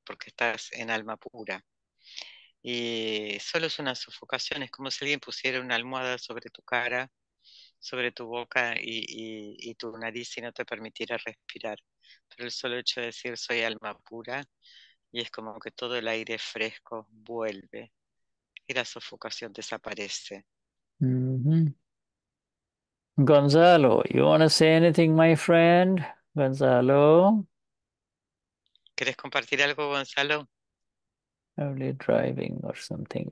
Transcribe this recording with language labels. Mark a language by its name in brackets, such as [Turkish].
[Spanish] Porque estás en alma pura. Y solo es una sofocación, es como si alguien pusiera una almohada sobre tu cara sobre tu boca y tu nariz y no te permitiera respirar. Pero el solo hecho de decir soy alma pura y es como que todo el aire fresco vuelve y la sofocación desaparece. [English] Gonzalo, you want to say anything, my friend? Gonzalo? [Spanish] ¿Quieres compartir algo, Gonzalo? [English] Probably driving or something.